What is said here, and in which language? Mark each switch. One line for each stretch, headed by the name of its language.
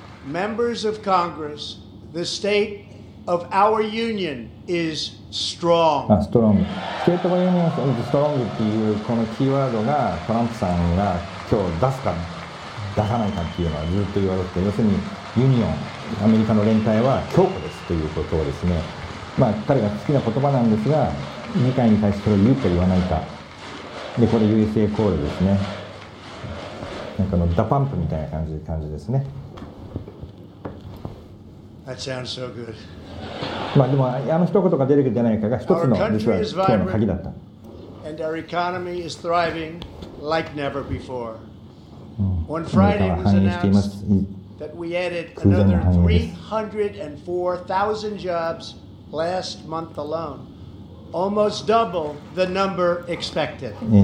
English: Members of Congress, the state of our union is strong. State of Union is strong
Japanese: っていうこのキーワードがトランプさんが今日出すか出さないかっていうのはずっと言われて、要するにユニオン。アメリカの連帯は強固ですということをですね、まあ、彼が好きな言葉なんですが、議会に対してそれを言うか言わないか。でこれ USA コールですね。なんかのダパンプみたいな感じですね。
English: That sounds so good.
Japanese: まあでもあの一言が出るか出ないかが一つの実は今日の鍵だった。
English: And our economy is thriving like never before. On Friday was announced that we added another 304,000 jobs last month alone, almost double the number expected.